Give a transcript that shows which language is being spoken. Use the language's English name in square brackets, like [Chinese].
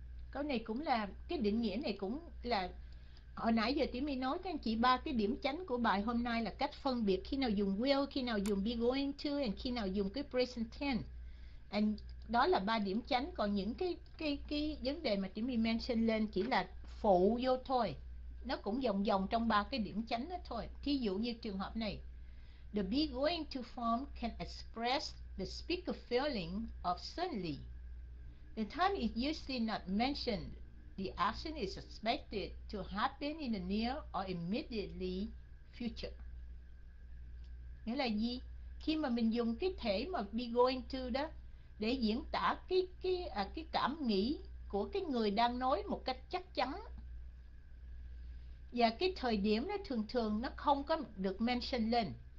[Vietnamese] Câu này cũng là cái định nghĩa này cũng là hồi nãy giờ tí mình nói các anh chị ba cái điểm chánh của bài hôm nay là cách phân biệt khi nào dùng will, khi nào dùng be going to and khi nào dùng cái present tense. And đó là ba điểm chánh, còn những cái vấn đề mà tí mình mention lên chỉ là phụ vô thôi. Nó cũng vòng vòng trong ba cái điểm chánh đó thôi. Thí dụ như trường hợp này. [English] The be going to form can express the speaker feeling of suddenly. The time is usually not mentioned. The action is expected to happen in the near or immediately future. [Vietnamese] Nghĩa là gì? Khi mà mình dùng cái thể mà be going to đó để diễn tả cái cảm nghĩ của cái người đang nói một cách chắc chắn. Và cái thời điểm nó thường thường nó không có được mention lên.